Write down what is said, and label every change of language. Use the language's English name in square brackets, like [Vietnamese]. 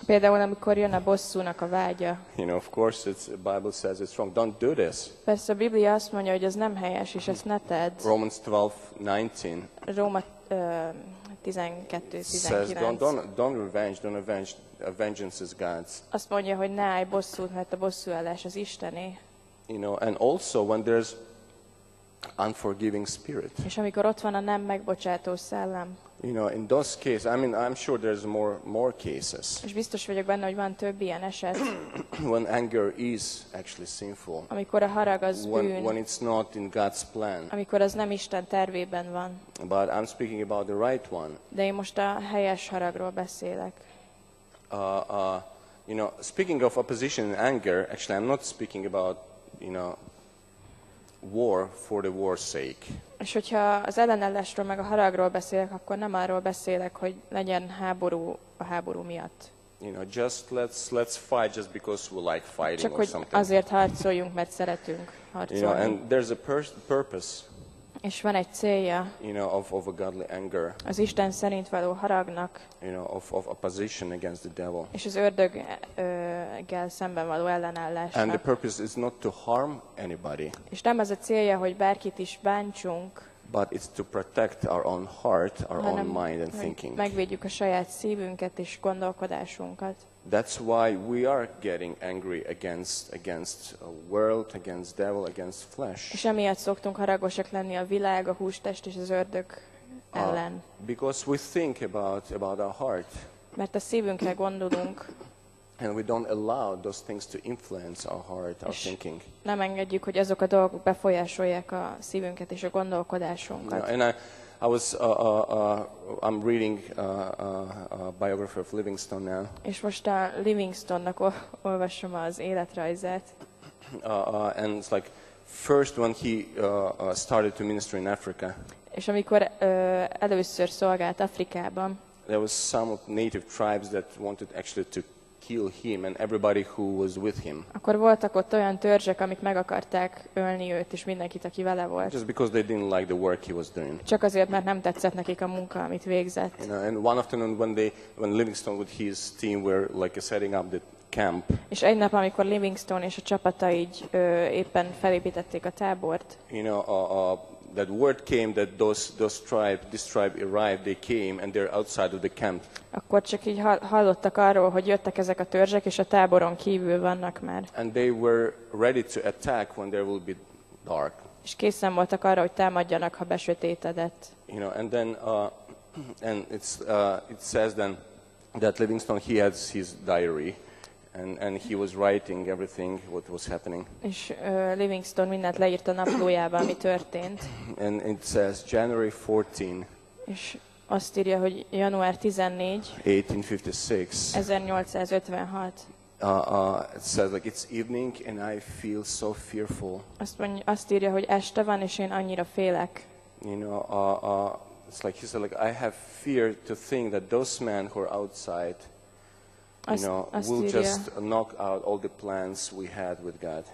[Hungarian] Például amikor jön a bosszúnak a vágya. [English] You know, of course it's the Bible says it's wrong. Don't do this. [Hungarian] Persze a Biblia azt mondja, hogy ez nem helyes, és ezt ne tedd. [English] Romans 12:19. [Hungarian] Róma 12:19. [English] Says don't revenge, don't avenge. A vengeance is God's. [Hungarian] Azt mondja, hogy ne állj bosszút, mert a bosszúállás az Istené. [English] You know, and also when there's unforgiving spirit. [Hungarian] És amikor ott van a nem megbocsátó szellem. [English] You know, in those cases, I mean, I'm sure there's more cases. [Hungarian] És biztos vagyok benne, hogy van több ilyen eset. [English] When anger is actually sinful. [Hungarian] Amikor a harag az bűn. [English] When it's not in God's plan. [Hungarian] Amikor az nem Isten tervében van. [English] But I'm speaking about the right one. [Hungarian] De én most a helyes haragról beszélek. [English] You know, speaking of opposition and anger, actually I'm not speaking about, you know, war for the war's sake. [Hungarian] És hogyha az ellenállásról meg a haragról beszélek, akkor nem arról beszélek, hogy legyen háború a háború miatt. [English] You know, just let's fight just because we like fighting. [Hungarian] Csak [English] or something. [Hungarian] Csak hogy azért harcoljunk, mert szeretünk harcolni. [English] You know, and there's a purpose. [Hungarian] És van egy célja. [English] You know, of a godly anger. [Hungarian] Az Isten szerint való haragnak. [English] You know, of opposition against the devil. [Hungarian] És az ördöggel szemben való ellenállásnak. [English] And the purpose is not to harm anybody. [Hungarian] És nem az a célja, hogy bárkit is bántsunk. [English] But it's to protect our own heart, our own mind and thinking. [Hungarian] Megvédjük a saját szívünket és gondolkodásunkat. [English] That's why we are getting angry against a world, against devil, against flesh. [Hungarian] És emiatt szoktunk haragosak lenni a világ, a hústest és az ördög ellen. [English] Because we think about our heart. [Hungarian] Mert a szívünkre gondolunk. [English] And we don't allow those things to influence our heart, our thinking. [Hungarian] Nem engedjük, hogy azok a dolgok befolyásolják a szívünket és a gondolkodásunkat. [English] And I was I'm reading a biography of Livingstone now. [Hungarian] És most a Livingstone-nak olvasom az életrajzát. [English] And it's like first when he started to minister in Africa. [Hungarian] És amikor először szolgált Afrikában. [English] There was some native tribes that wanted actually to kill him and everybody who was with him. [Hungarian] Akkor voltak ott olyan törzsek, amik meg akarták ölni őt és mindenkit, aki vele volt. [English] Just because they didn't like the work he was doing. [Hungarian] Csak azért, mert nem tetszett nekik a munka, amit végzett. [English] You know, and one afternoon when Livingstone with his team were like setting up the camp. [Hungarian] És egy nap, amikor Livingstone és a csapata így éppen felépítették a tábort. [English] You know, that word came that this tribe arrived, they came and they're outside of the camp. [Hungarian] Akkor csak így hallottak arról, hogy jöttek ezek a törzsek és a táboron kívül vannak már. [English] And they were ready to attack when there will be dark. [Hungarian] És készen voltak arra, hogy támadjanak, ha besötétedett. [English] You know, and then and it's it says then that Livingstone, he has his diary and he was writing everything what was happening. [Hungarian] És Livingstone mindent leírt a naplójában, ami történt. [English] And it says January 14. [Hungarian] És azt írja, hogy január 14. 1856. [English] It says like it's evening and I feel so fearful. [Hungarian] Azt írja, hogy este van és én annyira félek. [English] You know, it's like he said, like I have fear to think that those men who are outside, you know, will just knock out all the plans we had with God.